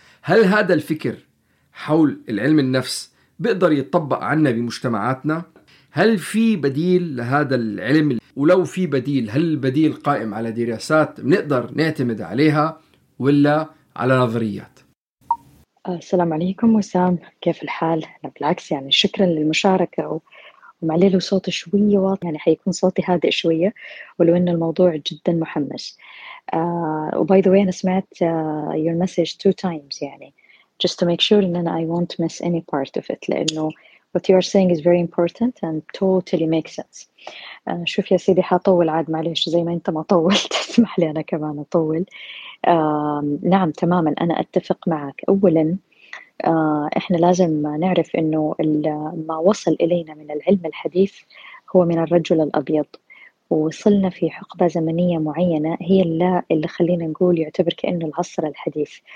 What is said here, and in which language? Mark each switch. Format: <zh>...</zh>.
<ar>هل هذا الفكر حول العلم النفس بيقدر يتطبق عنا بمجتمعاتنا؟ هل في بديل لهذا العلم؟ ولو في بديل، هل البديل قائم على دراسات بنقدر نعتمد عليها ولا على نظريات؟ السلام عليكم وسام، كيف الحال؟ لا بالعكس، يعني شكرا للمشاركة، ومعليه صوت شوية واضح، يعني حيكون صوتي هادئ شوية ولو ان الموضوع جدا محمس. وباي ذا واي انا سمعت</ar> <en>your message 2 times، يعني just to make sure that I won't miss any part of it، لانه what you are saying is very important and totally makes sense.</en> <ar>شوف يا سيدي حطول عاد، معليش زي ما انت ما طولت اسمح لي انا كمان اطول. نعم تماما انا اتفق معك. اولا احنا لازم نعرف انه ما وصل الينا من العلم الحديث هو من الرجل الأبيض، وصلنا في حقبة زمنية معينة هي اللي خلينا نقول يعتبر كأنه العصر الحديث.</ar>